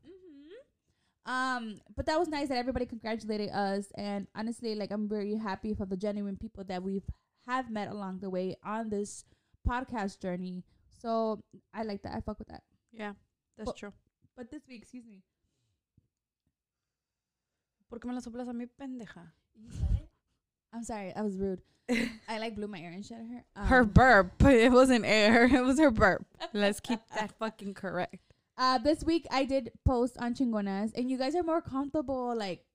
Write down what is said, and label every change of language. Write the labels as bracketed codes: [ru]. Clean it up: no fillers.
[en] Mm-hmm. But that was nice that everybody congratulated us. And honestly, like, I'm very happy for the genuine people that have met along the way on this podcast journey. So I like that. I fuck with that. Yeah, that's true. But this week, excuse me. [es] ¿Por qué me la soplas a mi pendeja? [en] I'm sorry, I was rude. I like blew my air and shit at her. Her burp, but it wasn't air, it was her burp. Let's keep that fucking correct. This week I did post on Chingonas, and you guys are more comfortable, like,